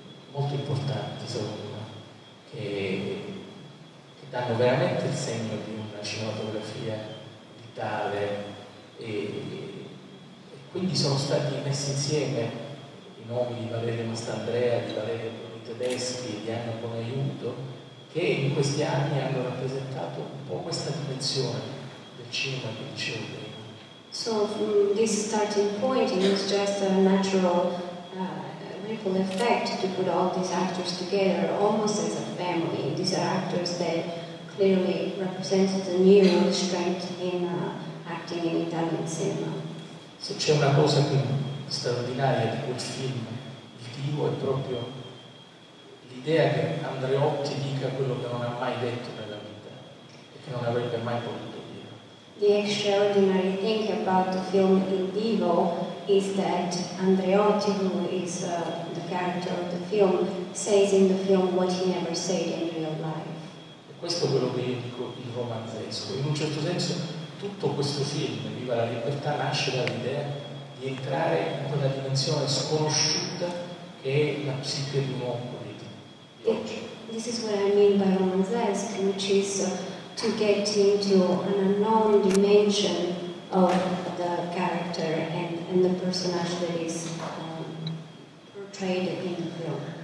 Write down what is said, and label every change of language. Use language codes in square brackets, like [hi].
[it] molto importanti, secondo me, che danno veramente il segno di una cinematografia vitale, e quindi sono stati messi insieme i nomi di Valerio Mastandrea, di Valerio Bruni Tedeschi, di Anna Bonaiuto, che in questi anni hanno rappresentato un po' questa dimensione del cinema che dicevo prima. [en] So this starting point is just a natural ripple effect to put all these actors together, almost as a family. These are actors that clearly represent the new strength in acting in Italian cinema. [it] Se c'è una cosa più straordinaria di quel film, il vivo, è proprio l'idea che Andreotti dica quello che non ha mai detto nella vita e che non avrebbe mai potuto. [en] The extraordinary thing about the film Il Divo is that Andreotti, who is the character of the film, says in the film what he never said in real life. [it] E questo è quello che io dico il romanzesco. In un certo senso tutto questo film, Viva la Libertà, nasce dall'idea di entrare in quella dimensione sconosciuta che è la psiche di un uomo politico. [en] This is what I mean by romanzesco, which is to get into an unknown dimension of the character and the personage that is portrayed in the film.